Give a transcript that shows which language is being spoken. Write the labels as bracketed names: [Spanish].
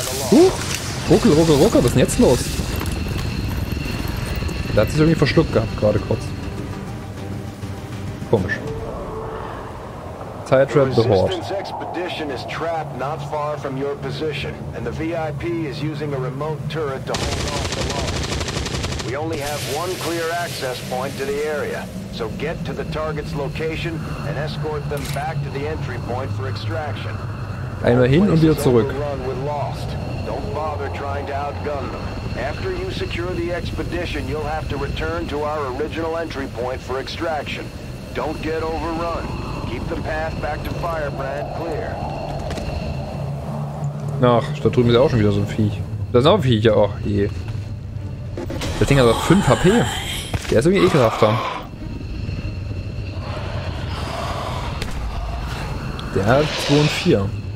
[German] Huch! Ruckel, was ist denn jetzt los? Da hat sich irgendwie verschluckt gehabt, gerade kurz. Komisch. [English] Tide-Trap the Horde. The Resistance Expedition is trapped not far from your position, and the VIP is using a remote turret to hold off the Lost. We only have one clear access point to the area, so get to the target's location and escort them back to the entry point for extraction. [German] Einmal hin und wieder zurück. [English] Don't bother trying to outgun them. After you secure the expedition, you'll have to return to our original entry point for extraction. Don't get overrun. Keep the path back to Firebrand clear. [German] Ach, da drüben ist ja auch schon wieder so ein Viech. Da sind auch Viecher, auch. Oh, je. Das Ding hat aber 5 HP. Der ist irgendwie ekelhafter. Der hat 2 und 4.